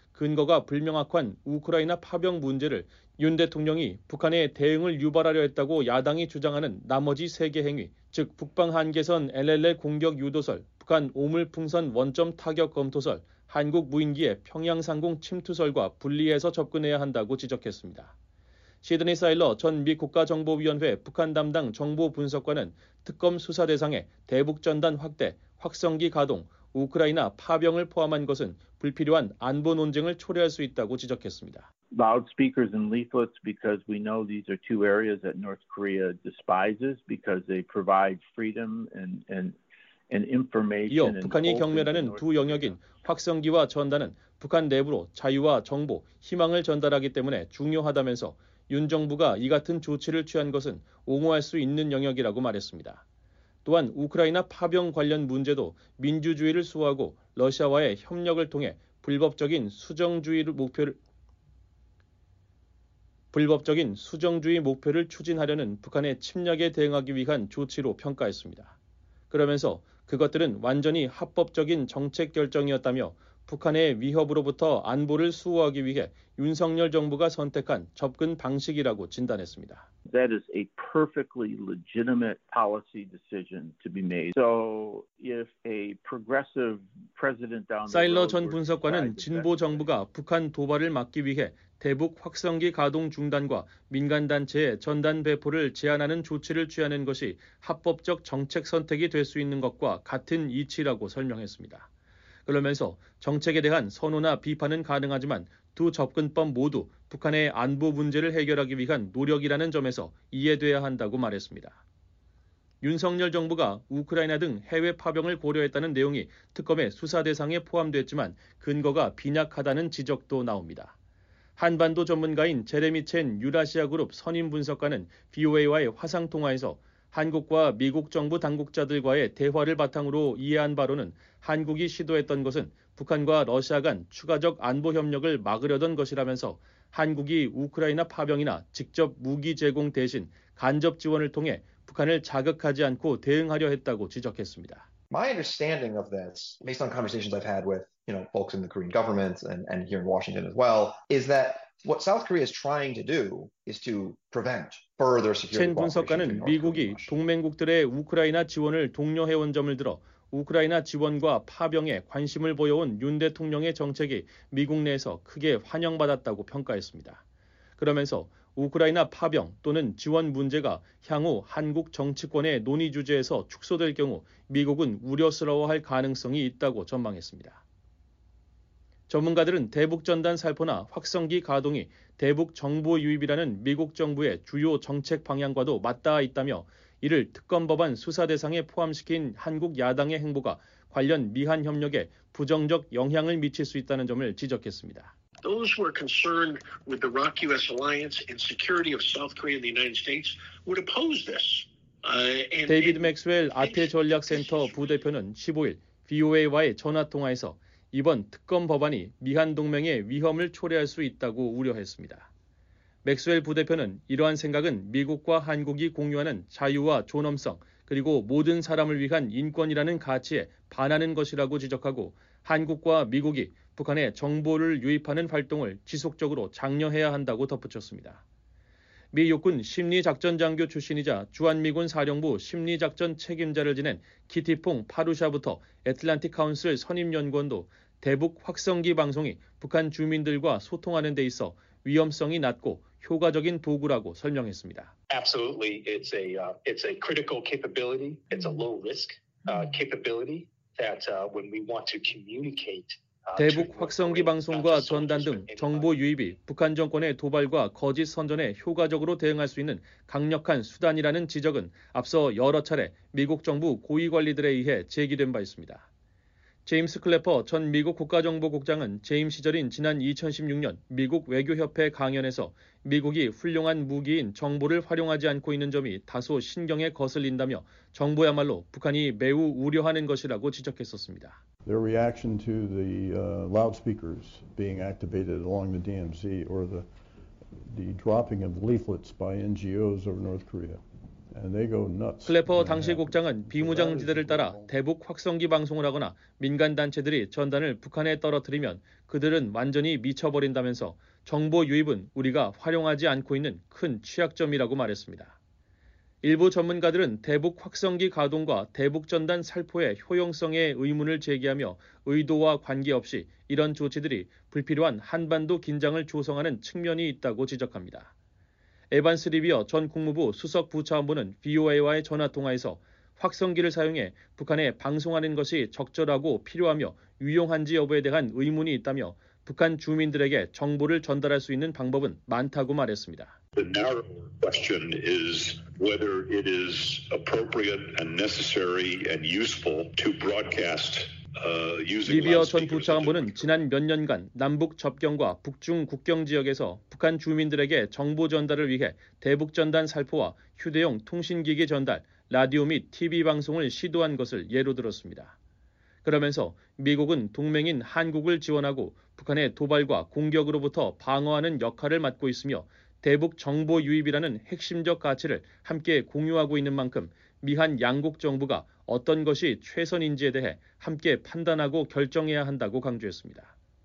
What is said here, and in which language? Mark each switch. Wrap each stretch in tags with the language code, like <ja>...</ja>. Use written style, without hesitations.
<ko>근거가 불명확한 우크라이나 파병 문제를 윤 대통령이 북한의 대응을 유발하려 했다고 야당이 주장하는 나머지 3개 행위, 즉 북방 한계선 LLL 공격 유도설, 북한 오물풍선 원점 타격 검토설, 한국 무인기의 평양 상공 침투설과 분리해서 접근해야 한다고 지적했습니다. 시드니 사일러 전 미 국가정보위원회 북한 담당 정보분석관은 특검 수사 대상에 대북전단 확대, 확성기 가동, 우크라이나 파병을 포함한 것은 불필요한 안보 논쟁을 초래할 수 있다고 지적했습니다.</ko> <en>Loudspeakers and leaflets, because we know these are two areas that North Korea despises because they provide freedom and information.</en> <ko>이어 북한이 경멸하는 두 영역인 확성기와 전단은 북한 내부로 자유와 정보, 희망을 전달하기 때문에 중요하다면서 윤 정부가 이 같은 조치를 취한 것은 옹호할 수 있는 영역이라고 말했습니다. 또한 우크라이나 파병 관련 문제도 민주주의를 수호하고 러시아와의 협력을 통해 불법적인 수정주의 목표를 추진하려는 북한의 침략에 대응하기 위한 조치로 평가했습니다. 그러면서 그것들은 완전히 합법적인 정책 결정이었다며 북한의 위협으로부터 안보를 수호하기 위해 윤석열 정부가 선택한 접근 방식이라고 진단했습니다.</ko> <en>That is a perfectly legitimate policy decision to be made. So if a progressive president down the road,</en> <ko>사일러 전 분석관은 진보 정부가 북한 도발을 막기 위해 대북 확성기 가동 중단과 민간단체의 전단 배포를 제한하는 조치를 취하는 것이 합법적 정책 선택이 될 수 있는 것과 같은 이치라고 설명했습니다. 그러면서 정책에 대한 선호나 비판은 가능하지만 두 접근법 모두 북한의 안보 문제를 해결하기 위한 노력이라는 점에서 이해돼야 한다고 말했습니다. 윤석열 정부가 우크라이나 등 해외 파병을 고려했다는 내용이 특검의 수사 대상에 포함됐지만 근거가 빈약하다는 지적도 나옵니다. 한반도 전문가인 제레미 첸 유라시아 그룹 선임 분석가는 VOA와의 화상통화에서 한국과 미국 정부 당국자들과의 대화를 바탕으로 이해한 바로는 한국이 시도했던 것은 북한과 러시아 간 추가적 안보 협력을 막으려던 것이라면서 한국이 우크라이나 파병이나 직접 무기 제공 대신 간접 지원을 통해 북한을 자극하지 않고 대응하려 했다고 지적했습니다.</ko> <en>My understanding of this, based on conversations I've had with, you know, folks in the Korean government and here in Washington as well, is that what South Korea is trying to do is to prevent further security.</en> <ko>첸 분석가는 미국이 동맹국들의 우크라이나 지원을 독려해온 점을 들어 우크라이나 지원과 파병에 관심을 보여온 윤 대통령의 정책이 미국 내에서 크게 환영받았다고 평가했습니다. 그러면서 우크라이나 파병 또는 지원 문제가 향후 한국 정치권의 논의 주제에서 축소될 경우 미국은 우려스러워할 가능성이 있다고 전망했습니다. 전문가들은 대북 전단 살포나 확성기 가동이 대북 정보 유입이라는 미국 정부의 주요 정책 방향과도 맞닿아 있다며 이를 특검법안 수사 대상에 포함시킨 한국 야당의 행보가 관련 미한 협력에 부정적 영향을 미칠 수 있다는 점을 지적했습니다.</ko> <en>Those who are concerned with the ROK-US alliance and security of South Korea and the United States would oppose this.</en> <ko>데이비드 맥스웰 아태 전략 센터 부대표는 15일 VOA와의 전화 통화에서 이번 특검 법안이 미한 동맹의 위험을 초래할 수 있다고 우려했습니다. 맥스웰 부대표는 이러한 생각은 미국과 한국이 공유하는 자유와 존엄성 그리고 모든 사람을 위한 인권이라는 가치에 반하는 것이라고 지적하고 한국과 미국이 북한에 정보를 유입하는 활동을 지속적으로 장려해야 한다고 덧붙였습니다. 미 육군 심리작전장교 출신이자 주한미군 사령부 심리작전 책임자를 지낸 키티퐁 파루샤부터 애틀란틱 카운슬 선임연구원도 대북 확성기 방송이 북한 주민들과 소통하는 데 있어 위험성이 낮고 효과적인 도구라고 설명했습니다.</ko> <en>Absolutely, it's a critical capability. It's a low risk capability that when we want to communicate.</en> <ko>대북 확성기 방송과 전단 등 정보 유입이 북한 정권의 도발과 거짓 선전에 효과적으로 대응할 수 있는 강력한 수단이라는 지적은 앞서 여러 차례 미국 정부 고위 관리들에 의해 제기된 바 있습니다. 제임스 클래퍼 전 미국 국가정보국장은 재임 시절인 지난 2016년 미국 외교협회 강연에서 미국이 훌륭한 무기인 정보를 활용하지 않고 있는 점이 다소 신경에 거슬린다며 정부야말로 북한이 매우 우려하는 것이라고 지적했었습니다.</ko> <en>Their reaction to the loudspeakers being activated along the DMZ or the dropping of leaflets by NGOs over North Korea</en> <ko>클래퍼 당시 국장은 비무장지대를 따라 대북 확성기 방송을 하거나 민간단체들이 전단을 북한에 떨어뜨리면 그들은 완전히 미쳐버린다면서 정보 유입은 우리가 활용하지 않고 있는 큰 취약점이라고 말했습니다. 일부 전문가들은 대북 확성기 가동과 대북 전단 살포의 효용성에 의문을 제기하며 의도와 관계없이 이런 조치들이 불필요한 한반도 긴장을 조성하는 측면이 있다고 지적합니다. 에반스 리비어 전 국무부 수석 부차관보는 VOA와의 전화통화에서 확성기를 사용해 북한에 방송하는 것이 적절하고 필요하며 유용한지 여부에 대한 의문이 있다며 북한 주민들에게 정보를 전달할 수 있는 방법은 많다고 말했습니다.</ko> <en>The narrow question is whether it is appropriate and necessary and useful to broadcast using</en> <ko>리비어 전 부차관보는 지난 몇 년간 남북 접경과 북중 국경 지역에서 북한 주민들에게 정보 전달을 위해 대북 전단 살포와 휴대용 통신기기 전달, 라디오 및 TV 방송을 시도한 것을 예로 들었습니다. 그러면서 미국은 동맹인 한국을 지원하고 북한의 도발과 공격으로부터 방어하는 역할을 맡고 있으며 대북 정보 유입이라는 핵심적 가치를 함께 공유하고 있는 만큼 미한 양국 정부가 어떤 것이 최선인지에 대해 함께 판단하고 결정해야 한다고 강조했습니다.</ko>